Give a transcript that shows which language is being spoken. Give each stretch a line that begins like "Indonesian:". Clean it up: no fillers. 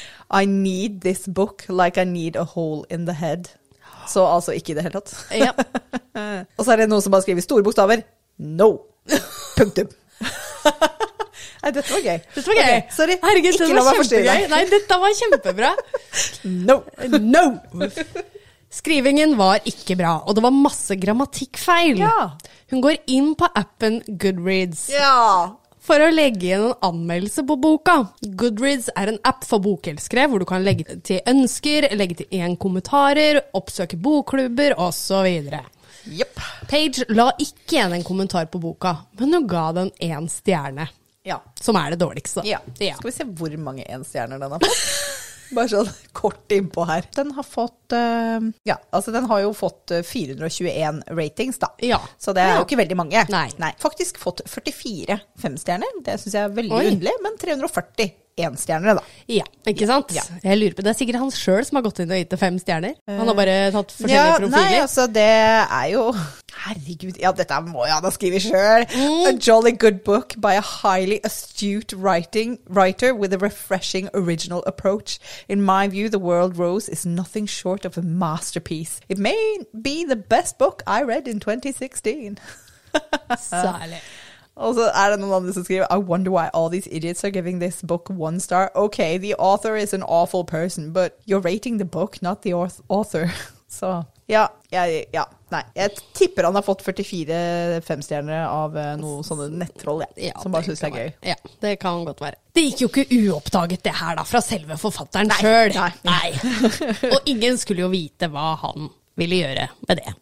English: I need this book like I need a hole in the head.
Norwegian: Så altså ikke I det hele tatt. Ja. Og så det noen som har skrevet store bokstaver. No. Punktum. Nei, dette var gøy. Dette var gøy. Okay,
English: sorry.
Norwegian: Herregud, ikke det var kjempegøy. Nei, dette var kjempebra. No. No. Skrivingen var ikke bra, og det var masse grammatikkfeil. Ja. Hun går inn på appen Goodreads. Ja. For å legge inn en anmeldelse på boka. Goodreads en app for bokelskere, hvor du kan legge til ønsker, legge til en kommentarer, oppsøke bokklubber, og så videre. Yep. Paige la ikke igjen en kommentar på boka, men hun ga den en stjerne. Ja. Som det dårligste. Ja. Ja. Skal vi se hvor mange en stjerner den har fått? Bare sånn kort innpå her. Den har fått, ja, altså den har jo fått 421 ratings da. Ja. Så det jo ikke veldig mange. Nei. Nei. Faktisk fått 44 femstjerner. Det synes jeg veldig underlig, men 340 enstjerner da. Ja, ikke sant? Ja. Jeg lurer på, det sikkert han selv som har gått inn og gitt fem stjerner. Han har bare tatt forskjellige profiler. Nei, altså det jo... Herregud, ja, dette må jeg da skrive selv.
English: Mm. A jolly good book by a highly astute writer with a refreshing original approach. In my view, The World Rose is nothing short of a masterpiece. It may be the best book I read in 2016.
Norwegian: Særlig. Og så det noen andre som skriver,
English: I wonder why all these idiots are giving this book one star. Okay, the author is an awful person, but you're rating the book, not the author.
Norwegian: Så, ja. Nei, jeg tipper han har fått 44 femstjerner av noen sånne nettroll, ja, som bare synes det gøy. Ja, det kan godt være. Det gikk jo ikke uoppdaget det her da, fra selve forfatteren selv. Nei. Og ingen skulle jo vite hva han... ville gjøre med det.